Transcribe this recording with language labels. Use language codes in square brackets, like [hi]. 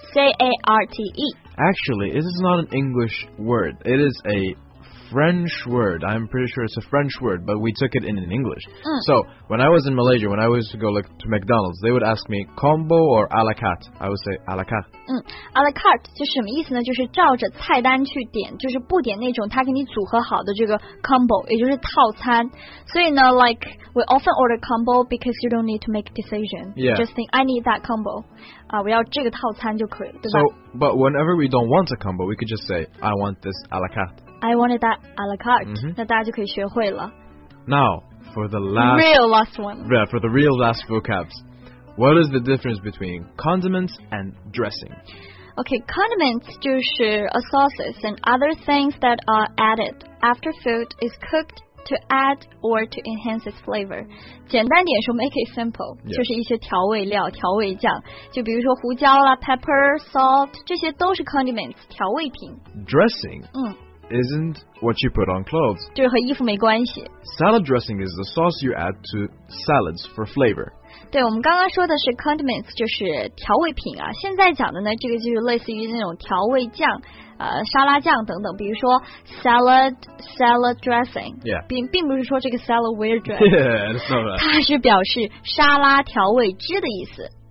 [en] C-A-R-T-E. Actually, this is not an English word. It is a French word. I'm pretty sure it's a French word, but we took it in English. So, when I was in Malaysia, when I was to go like, to McDonald's, they would ask me combo or a la carte. I would say a la carte. [zh] A la carte 就什么意思呢？就是照着菜单去点，就是不点那种他给你组合好的这个 combo， 也就是套餐。所以呢 [en] like, we often order combo because you don't need to make a decision.、 Yeah. Just think, I need that combo. [zh] 我要这个套餐就可以了，对吧？ [en] So, but whenever we don't want a combo, we could just say, I want this a la carte. I wanted that a la carte.、Mm-hmm. [zh] 那大家就可以学会了。 [en] Now, for the last... real last one. Yeah, for the real last vocabs. What is the difference between condiments and dressing? Okay, condiments [zh] 就是 [en] sauces and other things that are added after food is cooked. To add or to enhance its flavor. [zh] 简单点说 [en] make it simple,、 yeah. [zh] 就是一些调味料调味酱就比如说胡椒啦 pepper, salt, 这些都是 condiments, 调味品。 [en] Dressing、isn't what you put on clothes. [zh] 就是和衣服没关系。 [en] Salad dressing is the sauce you add to salads for flavor. [zh] 对我们刚刚说的是 condiments, 就是调味品啊。现在讲的呢这个就是类似于那种调味酱。沙拉酱等等比如说 salad dressing、 [en] yeah. [zh] 并不是说这个 [en] salad weird dressing yeah, [zh] 它是表示沙拉调味汁的意思